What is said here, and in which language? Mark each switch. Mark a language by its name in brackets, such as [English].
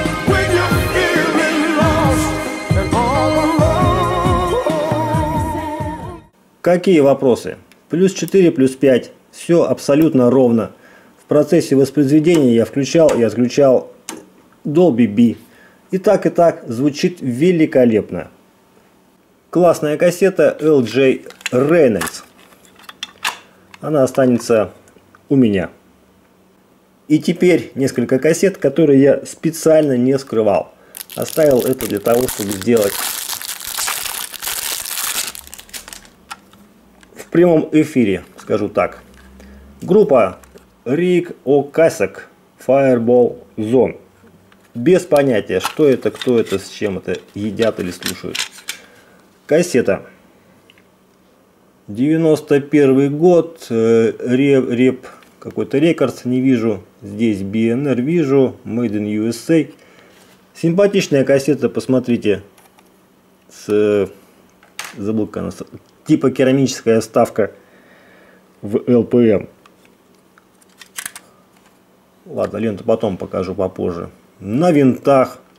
[English] When you're feeling lost and all alone. [Russian] Какие вопросы? Плюс 4, плюс 5. Все абсолютно ровно. В процессе воспроизведения я включал и отключал Dolby B. И так звучит великолепно. Классная кассета LG Reynolds. Она останется у меня. И теперь несколько кассет, которые я специально не скрывал. Оставил это для того, чтобы сделать в прямом эфире, скажу так. Группа Rick Ocasek, Fireball Zone. Без понятия, что это, кто это, с чем это, едят или слушают. Кассета. 91 год, реп какой-то рекордс, не вижу. Здесь BNR вижу, Made in USA. Симпатичная кассета, посмотрите. Типа керамическая вставка в LPM. Ладно, ленту потом покажу попозже. На винтах.